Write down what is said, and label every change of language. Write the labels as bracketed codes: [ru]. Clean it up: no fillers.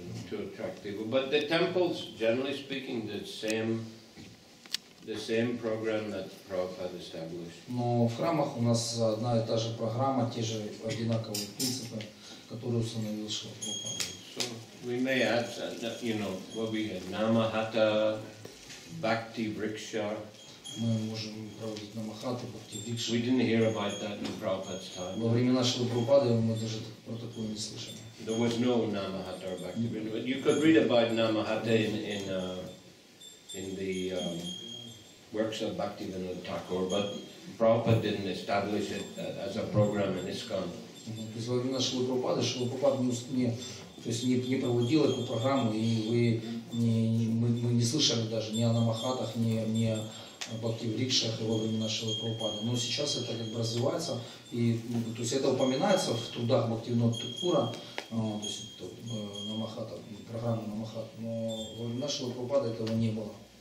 [en] To attract people, but the temples, generally speaking, the same program that Prabhupada established. [ru] Но в храмах у нас одна и та же программа, те же одинаковые принципы, которые установил Шрила Прабхупада. [en] We may add that, you know, what we had, Namahata, Bhakti Vriksha. [ru] Мы можем проводить Намахату, Бхакти Врикшу. [en] We didn't hear about that in Prabhupada's time. [ru] Во время нашего Прабхупады мы даже про такое не слышали. [en] There was no Namahata or Bhakti Vriksha. You could read about Namahata in the works of Bhakti Vinod Thakur, but Prabhupada didn't establish it as a program in ISKCON. [ru] Во время нашего Прабхупады, Шрила Прабхупада то есть не проводил эту программу, и мы не слышали даже ни о намахатах, ни о бхакти-врикшах во время нашего Прабхупады. Но сейчас это как бы развивается, и то есть это упоминается в трудах Бхактивинода Такура, то есть это намахата, программа намахат, но во время нашего Прабхупады этого не было.